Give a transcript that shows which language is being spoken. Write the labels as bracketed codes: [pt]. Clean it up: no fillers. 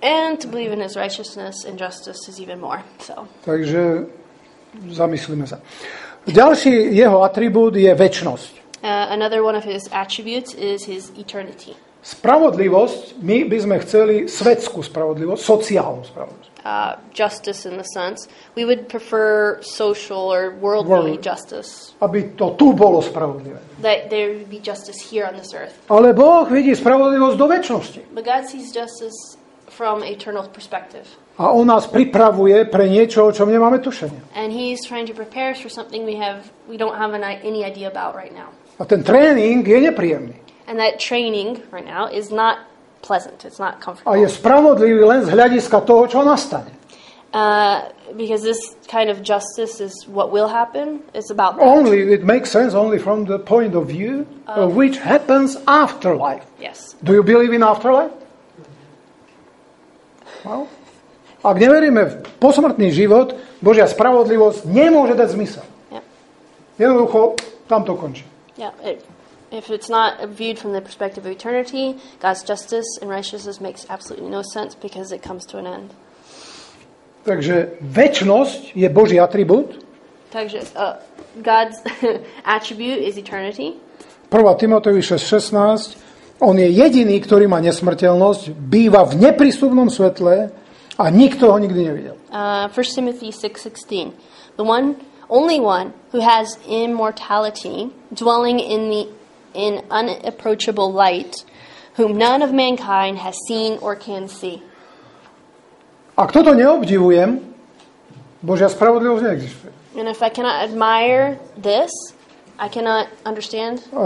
[en] And to believe in his righteousness and justice is even more. So. [sk] Takže zamyslíme sa. Ďalší jeho atribút je večnosť. [en] Another one of his attributes is his eternity. [sk] Spravodlivosť, my by sme chceli svetskú spravodlivosť, sociálnu spravodlivosť. [en] Justice in the sense, we would prefer social or worldly justice. [sk] Aby to tu bolo spravodlivé. [en] That there would be justice here on this earth. [sk] Ale Boh vidí spravodlivosť do večnosti. [en] But God sees justice from eternal perspective. [sk] A on nás pripravuje pre niečo, o čom nemáme tušenie. [en] And he's trying to prepare us for something we don't have any idea about right now. [sk] A ten tréning je nepríjemný. [en] And that training right now is not pleasant. It's not comfortable. [sk] A je spravodlivý len z hľadiska toho, čo nastane. [en] Because this kind of justice is what will happen. It's about that. Only, it makes sense only from the point of view of which happens after life. Yes. Do you believe in afterlife? [sk] Well, ak neveríme v posmrtný život, Božia spravodlivosť nemôže dať zmysel. [en] Yeah. [sk] Jednoducho, tam to končí. [en] Yeah, if it's not viewed from the perspective of eternity, God's justice and righteousness makes absolutely no sense because it comes to an end. [sk] Takže večnosť je Boží atribút. Takže [en] God's attribute is eternity. [sk] 1. Timoteovi 6:16. On je jediný, ktorý má nesmrteľnosť, býva v neprístupnom svetle a nikto ho nikdy nevidel. [en] 1. Timothy 6:16. The one, only one who has immortality dwelling in unapproachable light, whom none of mankind has seen or can see. [sk] Ak toto neobdivujem, Božia spravodlivosť neexistuje. [en] And if I cannot admire this, I cannot understand.